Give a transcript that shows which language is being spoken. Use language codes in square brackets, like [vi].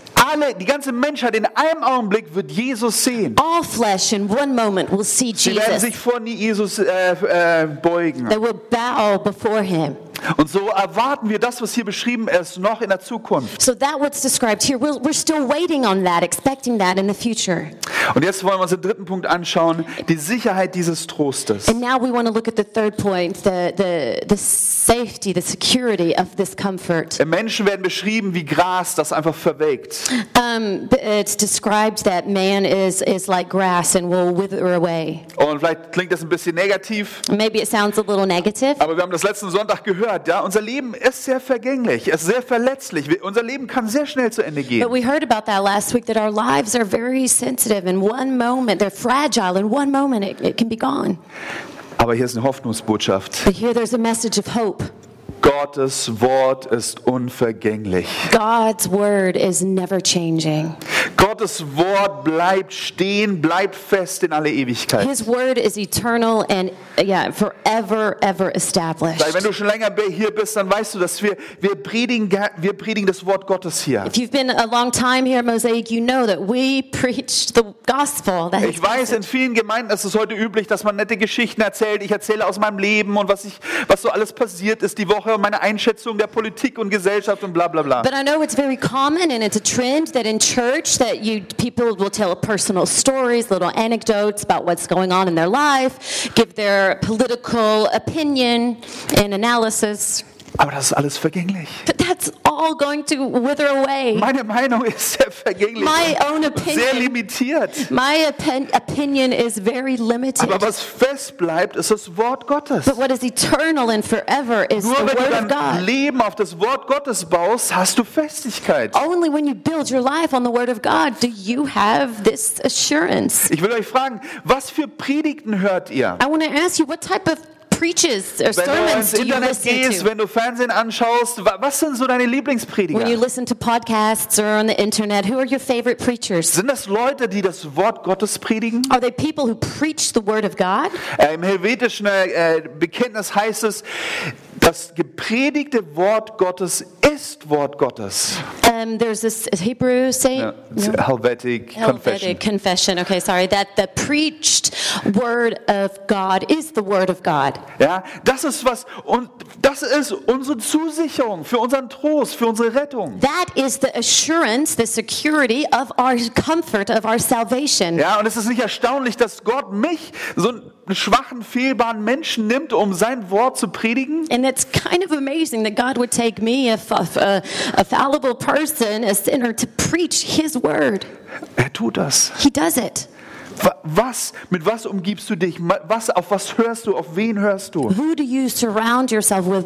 [de] Alle, die ganze Menschheit in einem Augenblick wird Jesus sehen. [en] All flesh in one moment will see Jesus. [de] Sie werden sich vor Jesus beugen. [en] They will bow before him. [de] Und so erwarten wir das, was hier beschrieben ist, noch in der Zukunft. [en] So that what's described here, we're still waiting on that, expecting that in the future. [de] Und jetzt wollen wir uns den dritten Punkt anschauen, die Sicherheit dieses Trostes. [en] And now we want to look at the third point, the safety, the security of this comfort. [de] Menschen werden beschrieben wie Gras, das einfach verwelkt. [en] It's described that man is like grass and will wither away. [de] Und vielleicht klingt das ein bisschen negativ. [en] Maybe it sounds a little negative. [de] Aber wir haben das letzten Sonntag gehört, ja, unser Leben ist sehr vergänglich, es ist sehr verletzlich. Unser Leben kann sehr schnell zu Ende gehen. [en] But we heard about that last week, that our lives are very sensitive. In one moment, they're fragile. In one moment, it can be gone. [de] Aber hier ist eine Hoffnungsbotschaft. [en] But here there's a message of hope. [de] Gottes Wort ist unvergänglich. [en] God's word is never changing. [de] Gottes Wort bleibt stehen, bleibt fest in alle Ewigkeit. [en] His word is eternal and forever, ever established. [de] Weil wenn du schon länger hier bist, dann weißt du, dass wir predigen das Wort Gottes hier. [en] If you've been a long time here at Mosaic, you know that we preach the gospel. [de] Ich weiß, in vielen Gemeinden ist es heute üblich, dass man nette Geschichten erzählt. Ich erzähle aus meinem Leben und was so alles passiert ist die Woche, meine Einschätzung der Politik und Gesellschaft und bla bla bla. [en] But I know it's very common and it's a trend that in church that people will tell personal stories, little anecdotes about what's going on in their life, give their political opinion and analysis. [de] Aber das ist alles vergänglich. [en] But that's all going to wither away. [de] Meine Meinung ist sehr vergänglich. [en] My own opinion, [de] sehr limitiert. [en] My opinion is very limited. [de] Aber was fest bleibt, ist das Wort Gottes. [en] But what is eternal and forever is [de] Nur [en] the Word of God. [de] Nur wenn du dein Leben auf das Wort Gottes baust, hast du Festigkeit. [en] Only when you build your life on the Word of God do you have this assurance. [de] Ich will euch fragen, was für Predigten hört ihr? [en] I want to ask you, what type of preaches or sermons do you listen to? [de] Wenn du Fernsehen anschaust, was sind so deine Lieblingsprediger? [en] When you listen to podcasts or on the internet, who are your favorite preachers? [de] Sind das Leute, die das Wort Gottes predigen? [en] Are they people who preach the word of God? [de] Im helvetischen Bekenntnis heißt es, das gepredigte Wort Gottes ist Wort Gottes. [en] There's this Hebrew saying. Helvetic confession. Okay, sorry. That the preached word of God is the word of God. [de] Ja, das ist was und das ist unsere Zusicherung für unseren Trost, für unsere Rettung. [en] That is the assurance, the security of our comfort, of our salvation. [de] Ja, und es ist nicht erstaunlich, dass Gott mich so einen schwachen, fehlbaren Menschen nimmt, um sein Wort zu predigen. [en] And it's kind of amazing that God would take me, a fallible person, a sinner, to preach his word. [de] Er tut das. [en] He does it. [de] Mit was umgibst du dich? Auf was hörst du? Auf wen hörst du? [en] Who do you surround yourself with?